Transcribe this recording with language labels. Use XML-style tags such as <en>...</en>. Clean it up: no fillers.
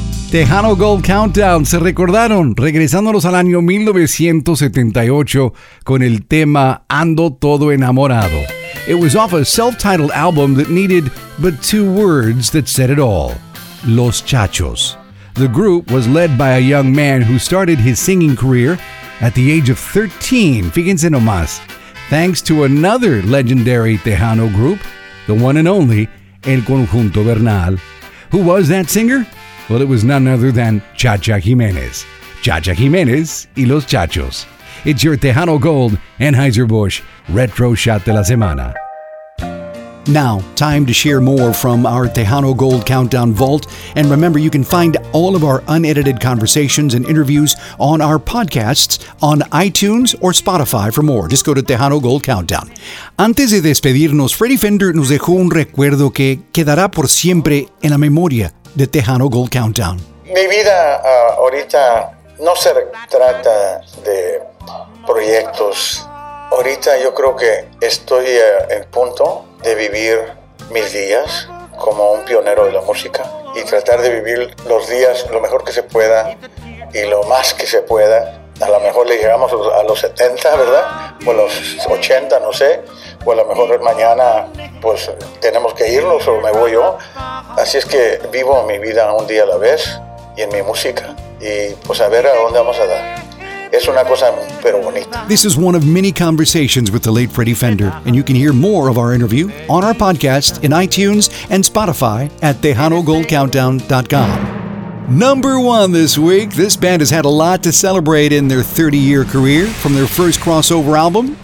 <es>Tejano Gold Countdown, se recordaron, regresándonos al año 1978 con el tema Ando Todo Enamorado.</es> <en>It was off a self-titled album that needed but two words that said it all, Los Chachos. The group was led by a young man who started his singing career at the age of 13,</en> <es>fíjense nomás,</es> <en>thanks to another legendary Tejano group, the one and only El Conjunto Bernal. Who was that singer? Well, it was none other than Chacha Jimenez. Chacha Jimenez y Los Chachos. It's your Tejano Gold, Anheuser-Busch, Retro Shot de la Semana. Now, time to share more from our Tejano Gold Countdown Vault. And remember, you can find all of our unedited conversations and interviews on our podcasts on iTunes or Spotify for more. Just go to Tejano Gold Countdown.</en> <es>Antes de despedirnos, Freddy Fender nos dejó un recuerdo que quedará por siempre en la memoria de Tejano Gold Countdown. Mi vida ahorita no se trata de proyectos. Ahorita yo creo que estoy en punto de vivir mis días como un pionero de la música y tratar de vivir los días lo mejor que se pueda y lo más que se pueda. A lo mejor le llegamos a los 70, ¿verdad? O a los 80, no sé. O a lo mejor mañana pues tenemos que irnos o me voy yo. Así es que vivo mi vida un día a la vez y en mi música. Y pues a ver a dónde vamos a dar. Es una cosa pero bonita.</es> <en>This is one of many conversations with the late Freddy Fender, and you can hear more of our interview on our podcast, in iTunes, and Spotify at TejanoGoldCountdown.com. Number one this week. This band has had a lot to celebrate in their 30-year career from their first crossover album.</en>